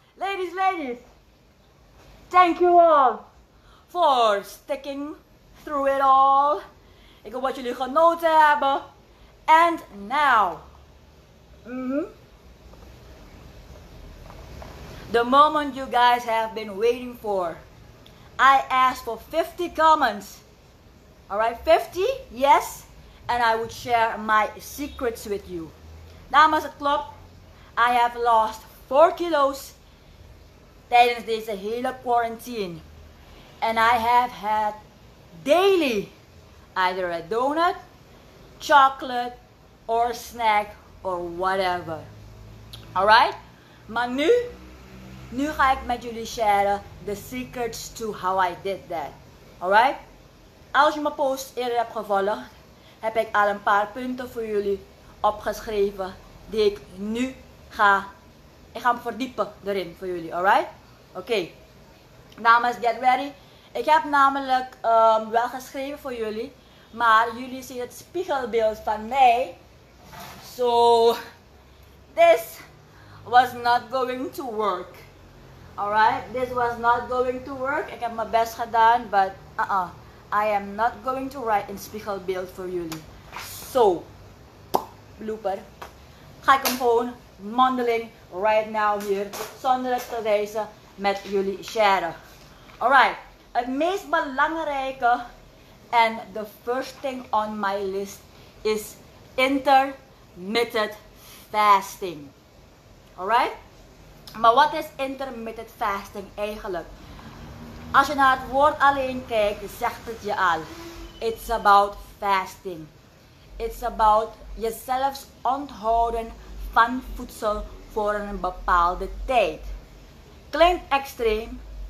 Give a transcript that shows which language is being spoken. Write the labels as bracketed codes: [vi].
[en] Ladies, ladies, thank you all for sticking through it all. [nl] Ik hoop dat jullie genoten hebben. [en] And now. The moment you guys have been waiting for. I asked for 50 comments. Alright, 50? Yes. And I would share my secrets with you. [nl] Dames het klopt. [en] I have lost 4 kilos. [nl] Tijdens deze hele quarantine. [en] And I have had daily. Either a donut, chocolate, or snack, or whatever. Alright? [nl] Maar nu ga ik met jullie [en] share the secrets to how I did that. Alright? [nl] Als je mijn post eerder hebt gevolgd, heb ik al een paar punten voor jullie opgeschreven die ik nu ga. Ik ga me verdiepen erin voor jullie. [en] Alright? Oké. Okay. Dames, get ready. [nl] Ik heb namelijk wel geschreven voor jullie. Maar jullie zien het spiegelbeeld van mij. [en] So, this was not going to work. Alright, this was not going to work. [nl] Ik heb mijn best gedaan, [en] but I am not going to write in [nl] spiegelbeeld voor jullie. [en] So, blooper. [nl] Ga ik hem gewoon mondeling [en] right now [nl] hier, zonder het te wijzen, met jullie share. Alright, het meest belangrijke. [en] And the first thing on my list is intermittent fasting. Alright? [nl] Maar wat is intermittent fasting eigenlijk? Als je naar het woord alleen kijkt, zegt het je al. [en] It's about fasting. It's about [nl] jezelf onthouden van voedsel voor een bepaalde tijd. Klinkt extreem,